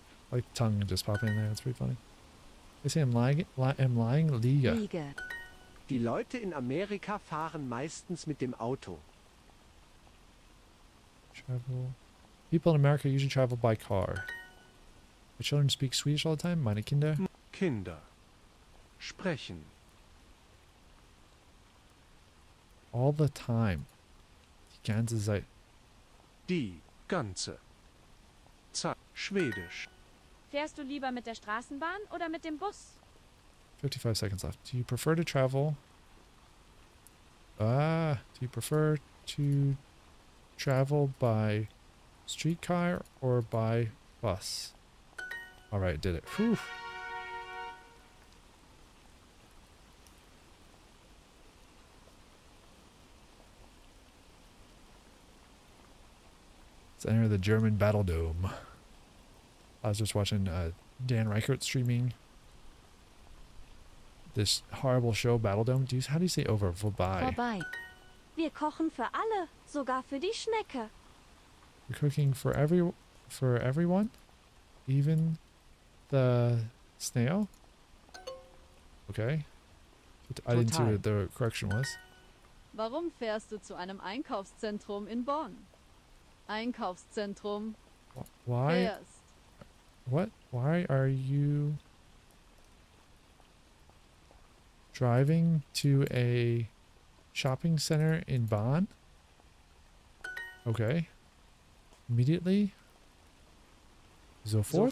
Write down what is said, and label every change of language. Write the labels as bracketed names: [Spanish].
[English] Like tongue just popping in there, it's pretty funny. They say I'm lying. Liga. Liga. [German] Die Leute in Amerika fahren meistens mit dem Auto. [English] Travel. People in America usually travel by car. My children speak Swedish all the time. [German] Meine Kinder. Kinder. Sprechen. [English] All the time. [German] Die ganze Zeit. Die ganze Zeit. Schwedisch. Fährst du lieber mit der Straßenbahn oder mit dem Bus? [English] 55 seconds left. Do you prefer to travel? Do you prefer to travel by streetcar or by bus? All right, did it. Whew. Let's enter the German battle dome. I was just watching Dan Reichert streaming this horrible show, Battle Dome. How do you say over? Vorbei. [German] Vorbei. Wir kochen für alle, sogar für die Schnecke. [English] You're cooking for everyone? Even the snail? Okay. [German] Total. [English] I didn't see what the correction was. [German] Warum fährst du zu einem Einkaufszentrum in Bonn? Einkaufszentrum. [English] Why? [German] Fährst. [English] What? Why are you driving to a shopping center in Bonn? Okay. Immediately. Sofort?